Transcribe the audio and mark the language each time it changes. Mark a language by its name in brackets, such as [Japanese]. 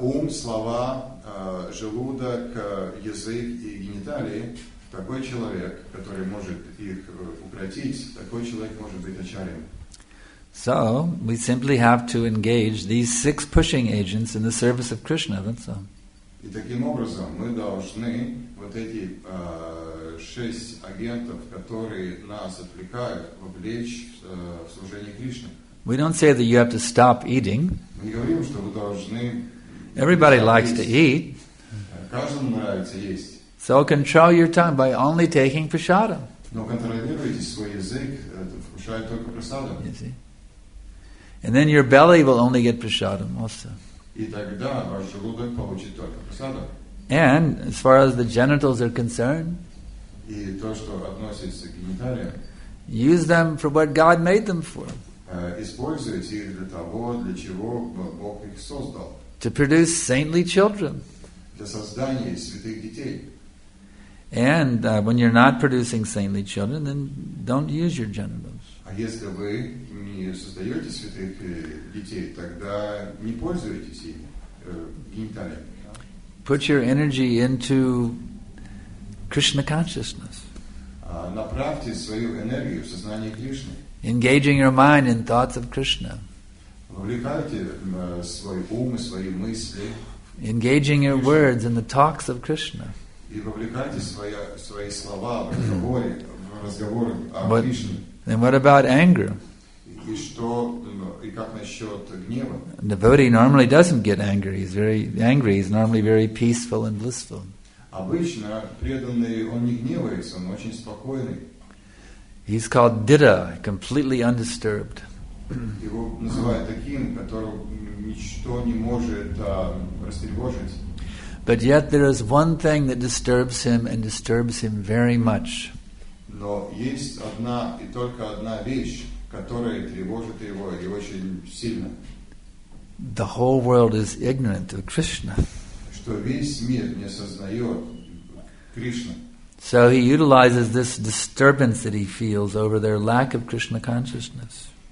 [Russian] Слова, желудок, язык и гениталии. Такой человек, который может их укротить, такой человек может быть ачарьем. [English] So we simply have to engage these six pushing agents in the service of Krishna. That's all. [Russian] И таким образом мы должны вот эти шесть агентов, которые нас отвлекают, вовлечь в служение Кришне. [English] We don't say that you have to stop eating. [Russian] Мы не говорим, что вы должны. [English] Everybody likes to eat. [Russian] Каждому нравится есть. [English] So control your tongue by only taking prasadam. [Russian] Но контролируйте свой язык, вкушая только прасадам. [English] You see? And then your belly will only get prasadam also. [Russian] И тогда ваш желудок получит только прасадам. [English] And as far as the genitals are concerned, [Russian] и то, что относится к гениталиям, [English] use them for what God made them for. [Russian] Используйте их для того, для чего Бог их создал. [English] To produce saintly children. [Russian] Для создания святых детей. [English] And when you're not producing saintly children, then don't use your genitals. [Russian] А если вы не создаете святых детей, тогда не пользуйтесь ими, гениталиями. [English] Put your energy into Krishna consciousness. [Russian] Направьте свою энергию в сознание Кришны. [English] Engaging your mind in thoughts of Krishna. [Russian] Вовлекайте свой ум и свои мысли. [English] Engaging your words in the talks of Krishna. [Russian] И вовлекайте свои слова в разговоры о Кришне. [English] And what about anger? [Russian] И что, и как насчет гнева? [English] A devotee normally doesn't get angry. He's very angry. He's normally very peaceful and blissful. [Russian] Обычно преданный, он не гневается, он очень спокойный. [English] He's called Ditta, completely undisturbed. [Russian] Его называют таким, которого ничто не может растревожить. [English] But yet there is one thing that disturbs him and disturbs him very much. [Russian] Но есть одна и только одна вещь, которая тревожит его и очень сильно. [English] the whole world is ignorant of Krishna. [Russian] Что весь мир не осознает Кришна. [English] So he utilizes this disturbance that he feels over their lack of Krishna consciousness.